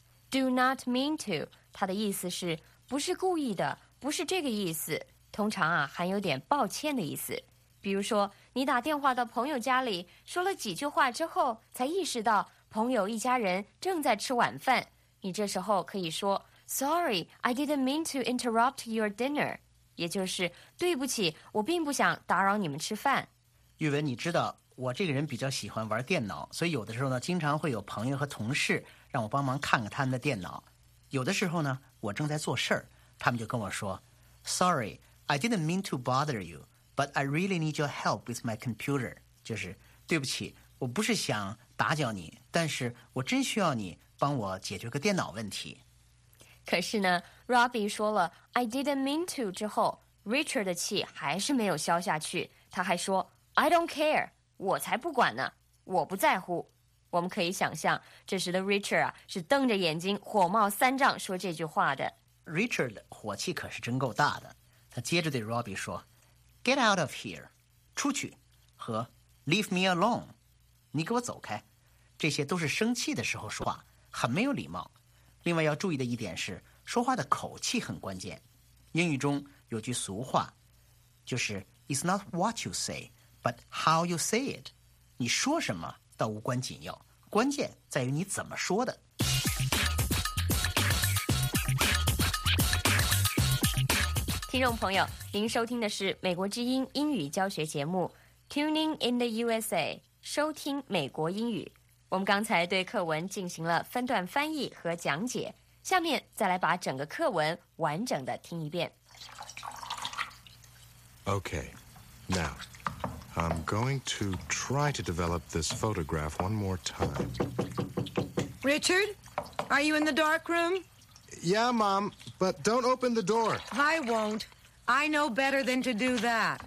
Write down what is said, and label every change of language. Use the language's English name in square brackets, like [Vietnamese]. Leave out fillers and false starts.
[English] Do not mean to. [Chinese] 它的意思是不是故意的，不是这个意思。通常啊含有点抱歉的意思。比如说你打电话到朋友家里说了几句话之后才意识到朋友一家人正在吃晚饭。你这时候可以说 [English] Sorry, I didn't mean to interrupt your dinner. [Chinese] 也就是对不起，我并不想打扰你们吃饭。宇文，你知道我这个人比较喜欢玩电脑，所以有的时候呢经常会有朋友和同事让我帮忙看看他们的电脑。有的时候呢我正在做事儿，他们就跟我说 [English] Sorry, I didn't mean to bother you, but I really need your help with my computer. [Chinese] 就是对不起，我不是想打搅你，但是我真需要你帮我解决个电脑问题。可是呢 ，Robbie 说了 [English] "I didn't mean to" [Chinese] 之后 ，Richard 的气还是没有消下去。他还说 [English] "I don't care," [Chinese] 我才不管呢，我不在乎。我们可以想象，这时的 Richard 啊是瞪着眼睛火冒三丈说这句话的。 Richard 火气可是真够大的。他接着对 Robbie 说 [English] "Get out of here," [Chinese] 出去，和 [English] "Leave me alone," [Chinese] 你给我走开。这些都是生气的时候说话，很没有礼貌。另外要注意的一点是说话的口气很关键。英语中有句俗话就是 [English] It's not what you say, but how you say it. [Chinese] 你说什么倒无关紧要，关键在于你怎么说的。听众朋友，您收听的是美国之音英语教学节目 Tuning in the USA， 收听美国英语。我们刚才对课文进行了分段翻译和讲解，下面再来把整个课文完整的听一遍。 [English] Okay, now, I'm going to try to develop this photograph one more time. Richard, are you in the dark room? Yeah, Mom, but don't open the door. I won't. I know better than to do that.